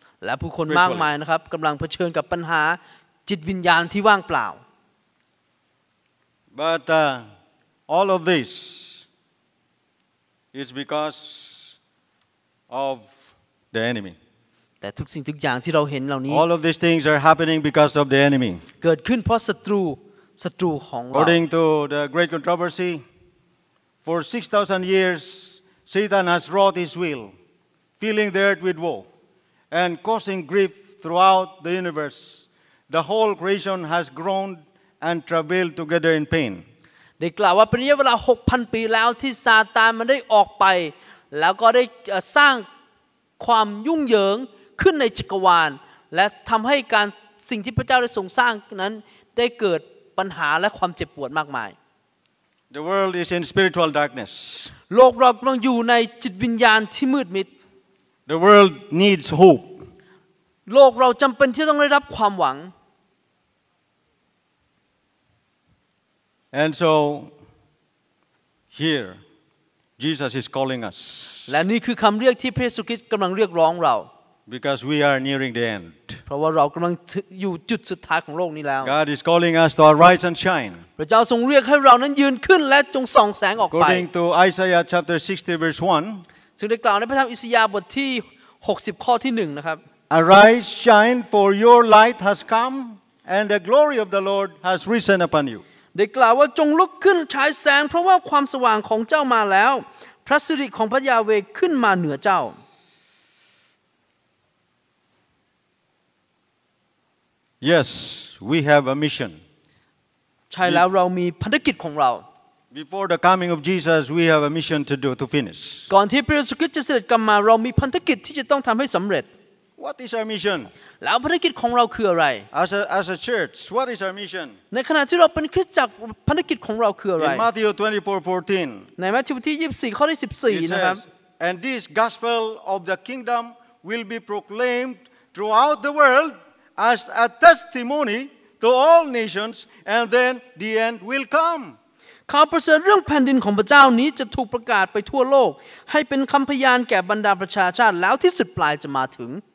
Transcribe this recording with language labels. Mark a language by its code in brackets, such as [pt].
[th] และผู้คนมากมายนะครับกำลังเผชิญกับปัญหาจิตวิญญาณที่ว่างเปล่า [en] But all of this is because of the enemy. [th] แต่ทุกสิ่งทุกอย่างที่เราเห็นเหล่านี้ [en] All of these things are happening because of the enemy [th] เกิดขึ้นเพราะศัตรูของเรา [en] According to the great controversy for 6,000 years Satan has wrought his will filling the earth with woe and causing grief throughout the universe the whole creation has groaned and travailed together in pain [th] ได้กล่าวว่าเป็นระยะเวลา 6,000 ปีแล้วที่ซาตานมันได้ออกไปแล้วก็ได้สร้างความยุ่งเหยิงขึ้นในจักรวาลและทำให้การสิ่งที่พระเจ้าได้ทรงสร้างนั้นได้เกิดปัญหาและความเจ็บปวดมากมาย [en] The world is in spiritual darkness [th] โลกเรากำลังอยู่ในจิตวิญญาณที่มืดมิด [en] The world needs hope [th] โลกเราจำเป็นที่ต้องได้รับความหวัง [en] And so here Jesus is calling us [th] และนี่คือคำเรียกที่พระเยซูคริสต์กำลังเรียกร้องเรา [en] Because we are nearing the end. [th] เพราะว่าเรากำลังอยู่จุดสุดท้ายของโลกนี้แล้ว [en] God is calling us to arise and shine. [th] พระเจ้าทรงเรียกให้เรานั้นยืนขึ้นและจงส่องแสงออกไป [en] According to Isaiah chapter 60 verse 1. [th] ซึ่งได้กล่าวในพระธรรมอิสยาห์บทที่60ข้อที่1นะครับ [en] Arise, shine, for your light has come, and the glory of the Lord has risen upon you. [th] ได้กล่าวว่าจงลุกขึ้นฉายแสงเพราะว่าความสว่างของเจ้ามาแล้วพระสิริของพระยาเวห์ขึ้นมาเหนือเจ้า [en] Yes, we have a mission. [th] ใช่แล้วเรามีภารกิจของเรา [en] Before the coming of Jesus, we have a mission to do to finish. [th] ก่อนที่พระเยซูคริสต์จะเสด็จกลับมาเรามีภารกิจที่จะต้องทําให้สําเร็จ [en] What is our mission? [th] แล้วภารกิจของเราคืออะไร [en] As a church, what is our mission? [th] ในขณะที่เราเป็นคริสตจักรภารกิจของเราคืออะไร [en] In Matthew 24:14. [th] ในมัทธิวบทที่24ข้อที่14นะครับ [en] And this gospel of the kingdom will be proclaimed throughout the world. As a testimony to all nations, and then the end will come. [th] ข่าวประเสริฐเรื่องแผ่นดินของพระเจ้านี้จะถูกประกาศไปทั่วโลกให้เป็นคำพยานแก่บรรดาประชาชาติแล้วที่สุดปลายจะมาถึง